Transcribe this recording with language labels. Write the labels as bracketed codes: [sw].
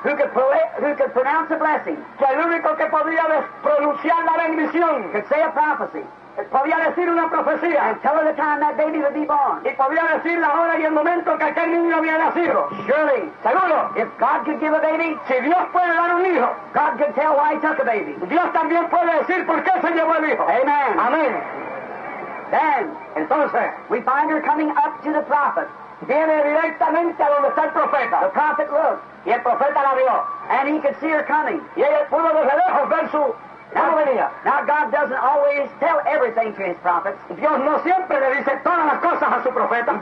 [en] Who could pronounce a blessing. [es] Que el único que podría pronunciar la bendición. [en] Could say a prophecy. [es] Podía decir una profecía. [en] And tell her the time that baby would be born. [es] Y podía decir la hora y el momento que aquel niño había nacido. [en] Surely. [es] Seguro. [en] If God could give a baby. [es] Si Dios puede dar un hijo. [en] God could tell why he took a baby. [es] Dios también puede decir por qué se llevó el hijo. [en] Amen. [es] Amén. [en] Then. [es] Entonces. [en] We find her coming up to the prophet. [es] Viene directamente a donde está el profeta. [en] The prophet looked. [es] Y el profeta la vio. [en] And he could see her coming. [es] Y ella pudo desde lejos ver su... [en] Now God doesn't always tell everything to his prophets. [es] Dios no siempre le dice todas las cosas a su profeta.